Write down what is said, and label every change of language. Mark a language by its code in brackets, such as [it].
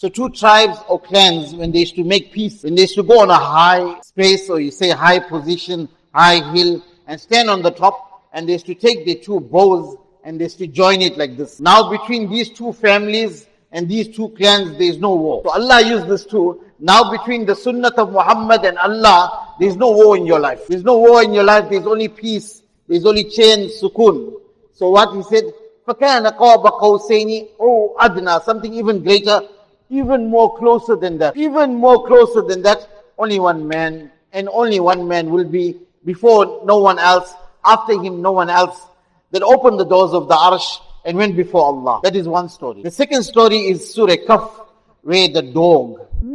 [en] So two tribes or clans, when they used to make peace, when they used to go on a high space, or you say high position, high hill, and stand on the top, and they used to take their two bows and they used to join it like this. Now between these two families and these two clans, there is no war. So Allah used this too. Now between the Sunnah of Muhammad and Allah, there is no war in your life. There is no war in your life. There is only peace. There is only chain, sukun. So what he said, [ar] فَكَانَ قَوْبَ قَوْسَيْنِ أَوْ أَدْنَى. [en] Something even greater, even more closer than that. Even more closer than that, only one man, and only one man will be before no one else, after him no one else. That opened the doors of the arsh and went before Allah. That is one story. The second story is Surah Kaf, where the dog.